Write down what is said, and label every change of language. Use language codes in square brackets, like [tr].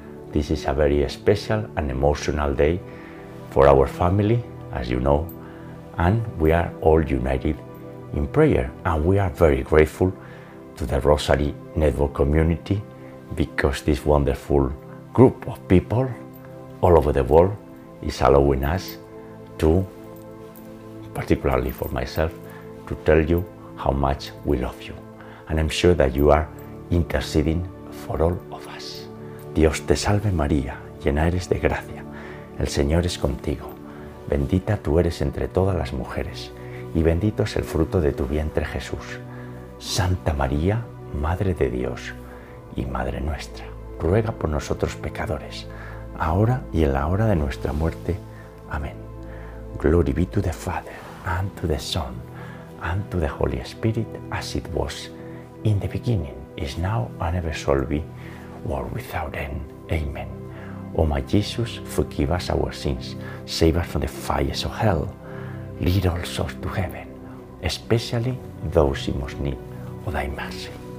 [en] This is a very special and emotional day for our family, as you know, and we are all united in prayer, and we are very grateful to the Rosary Network community, because this wonderful group of people all over the world is allowing us to, particularly for myself, to tell you how much we love you. And I'm sure that you are interceding for all of us. [es] Dios te salve María, llena eres de gracia. El Señor es contigo. Bendita tú eres entre todas las mujeres. Y bendito es el fruto de tu vientre Jesús. Santa María, Madre de Dios y Madre nuestra, ruega por nosotros pecadores, ahora y en la hora de nuestra muerte. Amén. [en] Glory be to the Father, and to the Son, and to the Holy Spirit, as it was in the beginning, is now, and ever shall be, world without end. Amen. O my Jesus, forgive us our sins, save us from the fires of hell, lead all souls to heaven, especially those in most need of thy mercy.